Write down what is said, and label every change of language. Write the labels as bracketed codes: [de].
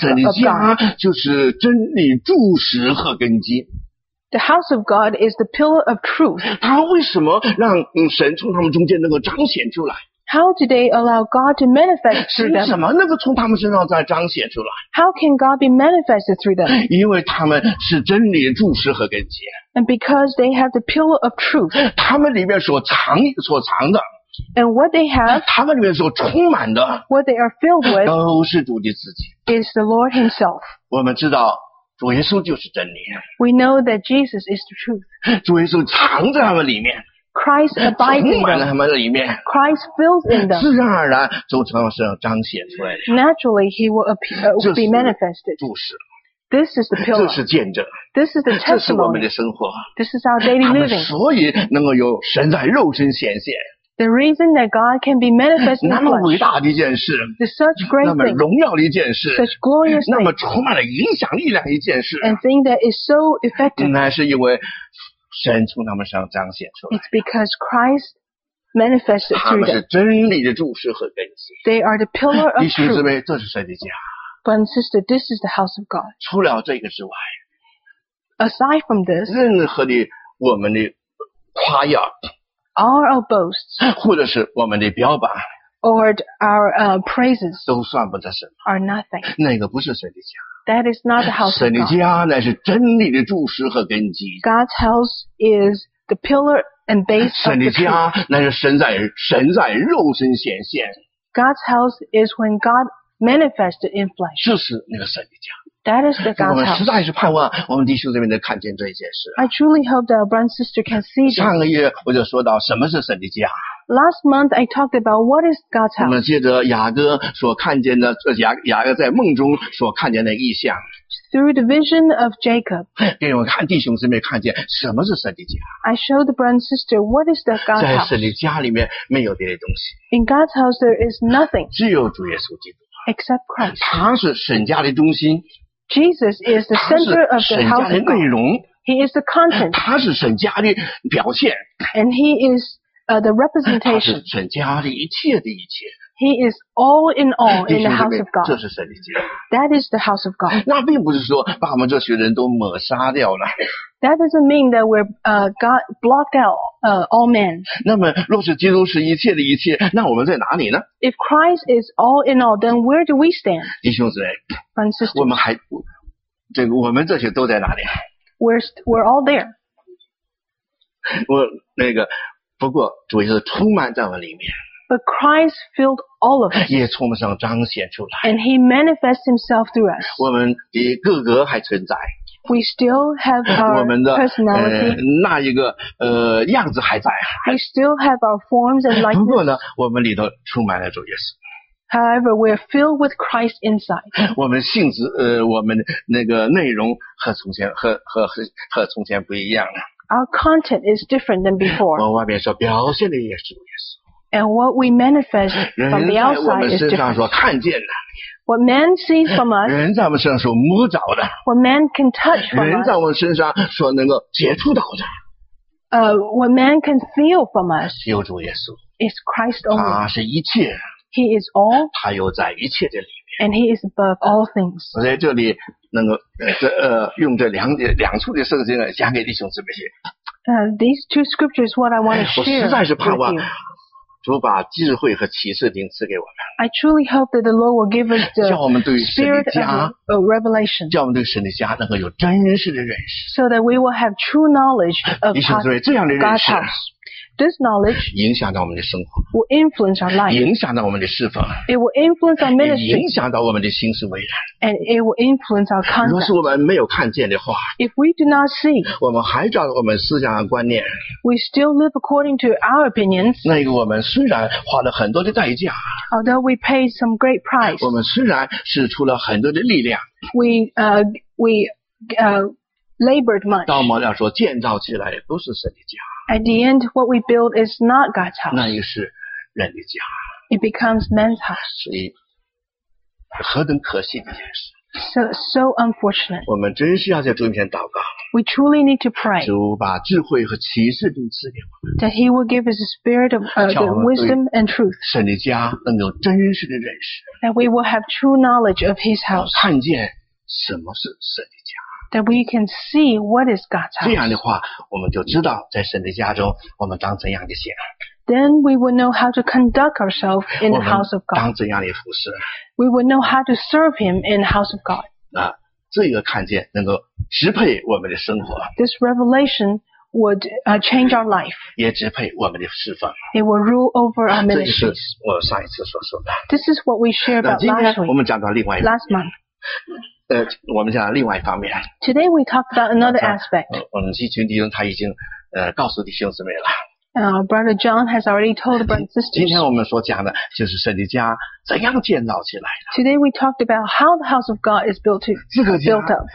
[zh] 神的家就是真理柱石和根基。 [en] The house of God is the pillar of truth. [zh] 他为什么让神从他们中间能够彰显出来? [en] How do they allow God to manifest through them? [zh] 是什么能够从他们身上再彰显出来? [en] How can God be manifested through them? [zh] 因为他们是真理柱石和根基。 [en] And because they have the pillar of truth. [zh] 他们里面所藏的。 [en] And what they have, [zh] 他们里面所充满的, [en] what they are filled with, is the Lord Himself. [zh] 我们知道,主耶稣就是真理。 [en] We know that Jesus is the truth. [zh] 主耶稣藏在他们里面。 [en] Christ abides in them. Christ fills in them. [zh] 自然而然，主从他们身上彰显出来。 [en] Naturally, he will appear, will be manifested. [zh] 注视。 [en] This is the pillar. [zh] 这是见证。 [en] This is the testimony. [zh] 这是我们的生活。 [en] This is our daily living. [zh] 他们所以能够有神在肉身显现。 [en] The reason that God can be manifested in flesh. [zh] 那么伟大的一件事。 [en] Such great thing. [zh] 那么荣耀的一件事。 [en] Such glorious thing. [zh] 那么充满了影响力量一件事。 [en] And thing that is so effective. [zh] 那是因为神从他们身上彰显出来。 [en] It's because Christ manifested through them. [zh] 他们是真理的柱石和根基。 [en] They are the pillar of truth. [zh] 弟兄姊妹，这是神的家。 [en] But and sister, this is the house of God. [zh] 除了这个之外。 [en] Aside from this. [zh] 任何的我们的夸耀。 [en] All our boasts, [zh] 或者是我们的标榜 [en] or our praises, [zh] 都算不得什么 [en] are nothing. [zh] 那个不是神的家 [en] that is not the house of God. [zh] 神的家乃是真理的柱石和根基 [en] God's house is the pillar and base of the truth. [zh] 神的家乃是神在肉身显现 [en] God's house is when God manifested in flesh. [zh] 这是那个神的家 [en] That is the God's house. [zh] 我们实在是盼望我们弟兄这边能看见这一件事。 [en] I truly hope that our brother sister can see this. [zh] 上个月我就说到什么是神的家。 [en] Last month I talked about what is God's house. [zh] 我们接着雅各所看见的，雅各在梦中所看见的异象。 [en] Through the vision of Jacob. [zh] 给我看弟兄这边看见什么是神的家。 [en] I showed the brother sister what is the God's house. [zh] 在神的家里面没有别的东西。 [en] In God's house there is nothing. [zh] 只有主耶稣基督。 [en] Except Christ. [zh] 他是神家的中心。 [en] Jesus is the center of the house of God. He is the content. [zh] 他是神家的表现。 [en] And he is the representation. [zh] 他是神家的一切的一切。 [en] He is all in all in the house of God. [zh] 这是神的家。 [en] That is the house of God. [zh] 那并不是说把我们这些人都抹杀掉了。 [en] That doesn't mean that we're God blocked out all men. [zh] 那么若是基督是一切的一切，那我们在哪里呢？ [en] If Christ is all in all, then where do we stand? [zh] 弟兄姊妹， [en] Francis, [zh] 我们还这个我们这些都在哪里？ [en] We're all there. [zh] 我那个不过主耶稣充满在我里面。 [en] But Christ filled all of us. [zh] 也从我们上彰显出来。 [en] And he manifests himself through us. [zh] 我们的个个还存在。 [en] We still have our personality. [zh] 那一个样子还在。 [en] We still have our forms and likeness. [zh] 不过呢，我们里头充满了主耶稣。 [en] However, we're filled with Christ inside. [zh] 我们性质我们那个内容和从前和从前不一样了。 [en] Our content is different than before. [zh] 我外面所表现的也是主耶稣。 [en] And what we manifest from the outside is different. [zh] 人在我们身上所看见的。 [en] What man sees from us, [zh] 人在我们身上所摸着的 [en] what man can touch from us, [zh] 人在我们身上所能够接触到的 [en] what man can feel from us, [zh] 只有主耶稣 [en] is Christ only, [zh] 他是一切 [en] he is all, [zh] 他又在一切的里面 [en] and he is above all things. [zh] 我在这里能够用这两处的圣经来讲给弟兄姊妹 [en] these two scriptures what I want to share with you. [zh] 我实在是盼望主把智慧和启示灵赐给我们。 [en] I truly hope that the Lord will give us the [zh] 叫我们对神的家 [en] revelation， [zh] 叫我们对神的家能够有真实的认识。 [en] So that we will have true knowledge of God's house。 This knowledge [zh] 影响到我们的生活 [en] will influence our life， [zh] 影响到我们的侍奉 [en] it will influence our ministry， [zh] 影响到我们的心思为人 [en] and it will influence our conduct。 [zh] 若是我们没有看见的话 [en] if we do not see， [zh] 我们还照着我们思想和观念 [en] we still live according to our opinions。 [zh] 那个我们虽然花了很多的代价 [en] although we paid some great price， [zh] 我们虽然是出了很多的力量 [en] we labored much。 [zh] 到末了说建造起来不是神的家。 [en] At the end, what we build is not God's house. [zh] 那也是人的家。 [en] It becomes man's house. [zh] 所以何等可惜的一件事。 [en] So unfortunate. [zh] 我们真是要在主面前祷告。 [en] We truly need to pray. [zh] 主把智慧和启示都赐给我们。 [en] That he will give us a spirit of the wisdom and truth. [zh] 神的家能有真实的认识。 [en] That we will have true knowledge of his house. [zh] 看见什么是神的家。 [en] That we can see what is God's house. [zh] 这样的话，我们就知道在神的家中，我们当怎样的行。 [en] Then we will know how to conduct ourselves in the house of God. [zh] 当怎样的服侍。 [en] We will know how to serve Him in the house of God. [zh] 啊，这个看见能够支配我们的生活。 [en] This revelation would change our life. [zh] 也支配我们的侍奉。 [en] It will rule over our ministry. [zh] 这是我上一次所说的。 [en] This is what we shared about last week. [zh] 我们讲到另外一个。 [en] Last month. [zh] 我们讲另外一方面。 [en] Today we talk about another aspect. [zh] 我们一群弟兄他已经告诉弟兄姊妹了。 [en] Brother John has already told the brothers and sisters. [zh] 今天我们所讲的就是圣灵家怎样建造起来的。 [en] Today we talked about how the house of God is built to built up.